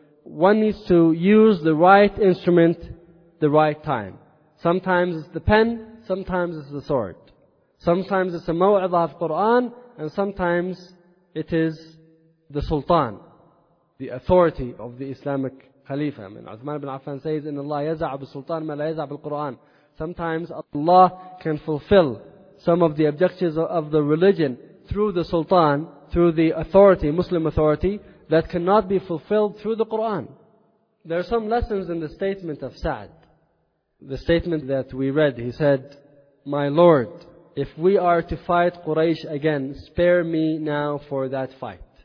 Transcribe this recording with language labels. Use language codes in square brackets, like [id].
[en] one needs to use the right instrument the right time. Sometimes it's the pen, sometimes it's the sword. Sometimes it's a maw'idah of Qur'an, and sometimes it is the sultan, the authority of the Islamic Khalifa. I mean, Uthman ibn Affan says, [ar] إِنَّ اللَّهِ يَزَعَ بِالسُلْطَانِ مَا لَا يَزَعَ بِالْقُرْآنِ. [en] Sometimes Allah can fulfill some of the objectives of the religion through the sultan, through the authority, Muslim authority, that cannot be fulfilled through the Qur'an. There are some lessons in the statement of Sa'd. The statement that we read, he said, "My Lord, if we are to fight Quraysh again, spare me now for that fight.